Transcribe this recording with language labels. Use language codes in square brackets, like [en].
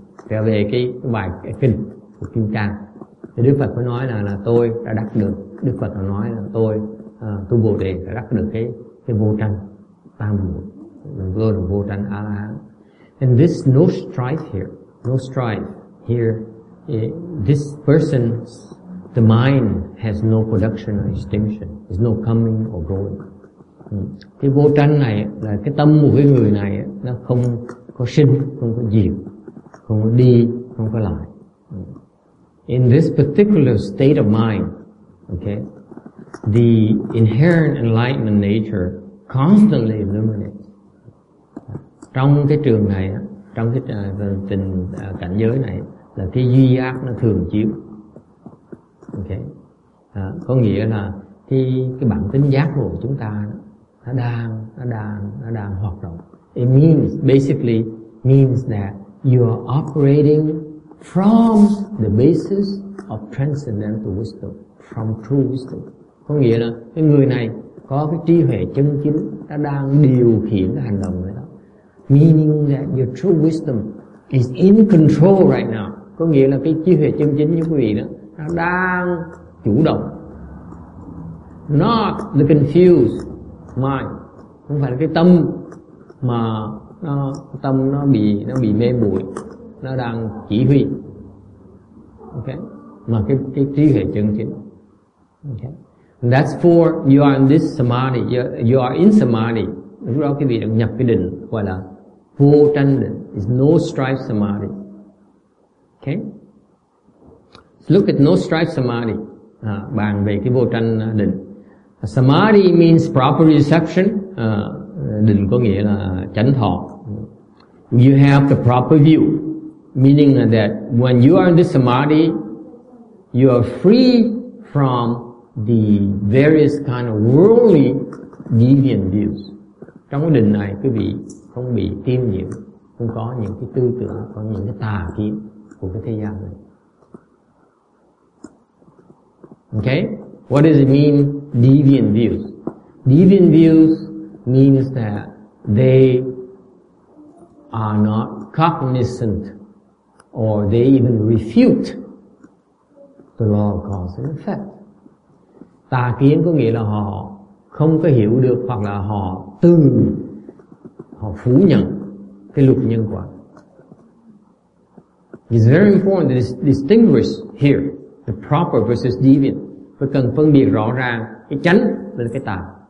[vi] Trở về cái bài kinh của Kim Cang. Thì Đức Phật có nói là tôi đã đắc được. Đức Phật đã nói là tôi, tu Bồ Đề đã đắc được cái vô tranh Tam Muội. Tôi là vô tranh A-la-hán. [en] And this no-strife here, this person, the mind has no production or extinction. There's no coming or going. [vi] Cái vô tranh này là cái tâm của cái người này nó không có sinh, không có diệt, không có đi, không có lại. [en] In this particular state of mind, okay, the inherent enlightenment nature constantly illuminates. [vi] Trong cái trường này, trong cái tình cảnh giới này là cái duy giác nó thường chiếu. Okay. Có nghĩa là cái bản tính giác ngộ chúng ta nó đang hoạt động. [en] It means basically means that you are operating from the basis of transcendental wisdom, from true wisdom. [vi] Có nghĩa là cái người này có cái trí huệ chân chính, nó đang điều khiển cái hành động người đó. [en] Meaning that your true wisdom is in control right now. [vi] Có nghĩa là cái trí huệ chân chính như quý vị đó, nó đang chủ động. [en] Not the confused mind. [vi] Không phải là cái tâm mà nó, tâm nó bị mê muội, nó đang chỉ huy. Okay. Mà cái trí huệ chân chính. [en] Okay. That's for you are in this samadhi, you are in samadhi. [vi] Lúc đó quý vị đã nhập cái định gọi là vô tranh định, [en] is no strife samadhi. Okay. So look at no strife samadhi. [vi] Bàn về cái vô tranh định. [en] Samadhi means proper reception. [vi] Định có nghĩa là chánh thọ. [en] You have the proper view, meaning that when you are in this samadhi, you are free from the various kind of worldly deviant views. [vi] Trong cái định này, quý vị không bị tiêm nhiễm, không có những cái tư tưởng, có những cái tà kiến của cái thế gian này. [en] Okay? What does it mean, deviant views? Deviant views means that they are not cognizant or they even refute the law of cause and effect. [vi] Tà kiến có nghĩa là họ không có hiểu được hoặc là họ từ họ phủ nhận cái luật nhân quả. [en] It's very important to distinguish here the proper versus deviant. [vi] Phải cần phân biệt rõ ràng cái chánh với cái tà.